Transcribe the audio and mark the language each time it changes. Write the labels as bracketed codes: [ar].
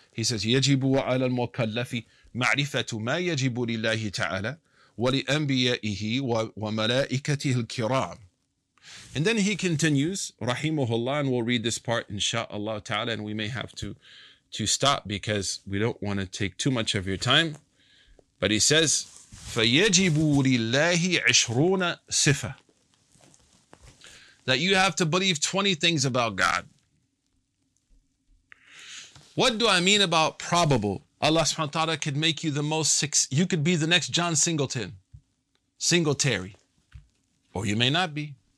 [en] He says, [ar] يَجِبُ عَلَى الْمُكَلَّفِ مَعْرِفَةُ مَا يَجِبُ لِلَّهِ تَعَالَى وَلِأَنْبِيَئِهِ وَمَلَائِكَتِهِ الْكِرَامِ. [en] And then he continues, rahimahullah, and we'll read this part, inshaAllah ta'ala, and we may have to stop because we don't want to take too much of your time. But he says, [ar] فَيَجِبُ لِلَّهِ عِشْرُونَ صِفَةً. [en] That you have to believe 20 things about God. What do I mean about probable? Allah subhanahu wa ta'ala could make you the most you could be the next John Singleton, Singletary. Or you may not be.